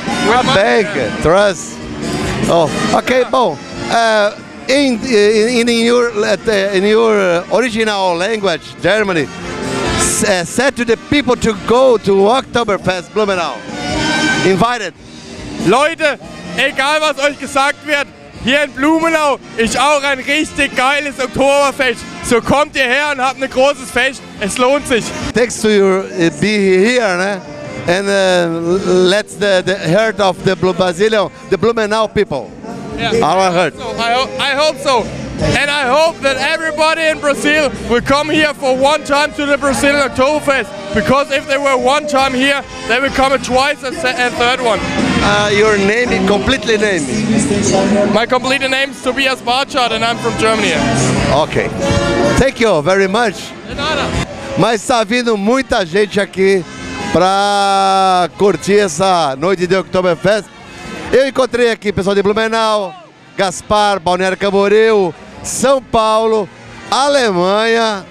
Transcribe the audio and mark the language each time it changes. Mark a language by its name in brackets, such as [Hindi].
[English] What bank? Trust. Oh, okay. [Portuguese] Bom. [English] In your original language, Germany, said to the people to go to Oktoberfest Blumenau. Invited. [German] Leute. Egal was euch gesagt wird, hier in Blumenau ist auch ein richtig geiles Oktoberfest. So kommt ihr her und habt ein großes Fest. Es lohnt sich. [English] Thanks to your be here, ne? And let's the heart of the Brazilian, the Blumenau people. Yeah. Our heart. I hope so. And I hope that everybody in Brazil will come here for one time to the Brazilian Oktoberfest. Because if they were one time here, they will come twice and third one. Your name, completely name? My complete name is Tobias Barchard and I'm from Germany. Okay. Thank you very much. [Portuguese] De nada. Mas está vindo muita gente aqui para curtir essa noite de Oktoberfest. Eu encontrei aqui pessoal de Blumenau, Gaspar, Balneário Camboriú, São Paulo, Alemanha.